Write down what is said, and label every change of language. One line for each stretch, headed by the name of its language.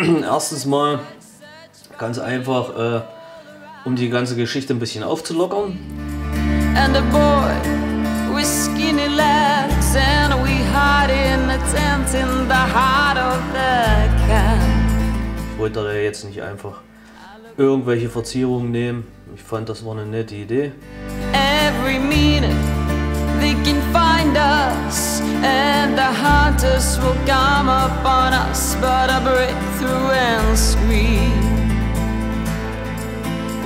German: Erstens mal ganz einfach, um die ganze Geschichte ein bisschen aufzulockern.
English: And a boy with skinny legs and we hide in a tent in the heart of the camp.
German: Ich wollte da jetzt nicht einfach irgendwelche Verzierungen nehmen. Ich fand, das war eine nette Idee.
English: Every minute they can find us and the heart. will come upon us, but I break through and scream.